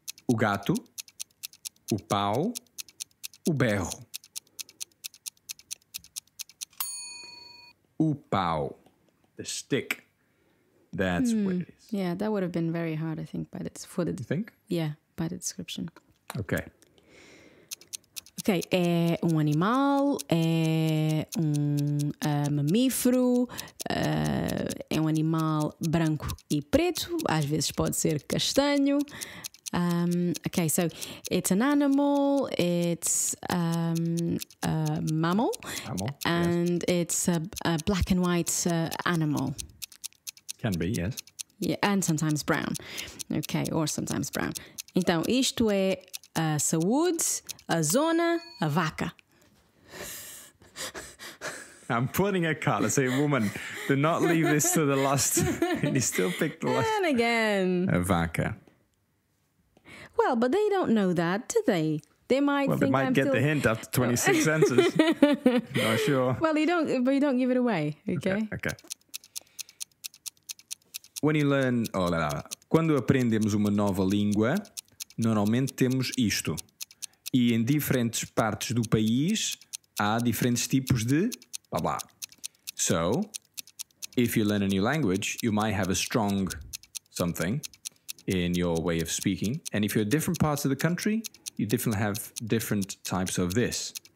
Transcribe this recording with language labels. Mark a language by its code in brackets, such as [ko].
[pt] O gato, o pau, o berro. O pau, [en] the stick, that's what it is. Yeah, that would have been very hard, I think, by the description. Okay. [pt] Ok, é um animal, é um mamífero, é um animal branco e preto, às vezes pode ser castanho. [en] Ok, so it's an animal, it's a mammal, and yes. It's a black and white animal. Can be, yes. Yeah, and sometimes brown. Ok, or sometimes brown. [pt] Então, isto é... A saúde, a zona, a vaca. [en] I'm pointing at Carla, say, woman, do not leave this to the last. And you still pick the last. And again. [pt] A vaca. [en] Well, but they don't know that, do they? They might think they might I'm get still... the hint after 26 answers. Not sure. Well, you don't give it away, okay? Okay. When you learn... [pt] Oh, lá, lá. Quando aprendemos uma nova língua... Normalmente temos isto. E em diferentes partes do país há diferentes tipos de blá blá. [en] So, if you learn a new language, you might have a strong something in your way of speaking. And if you're different parts of the country, you definitely have different types of this.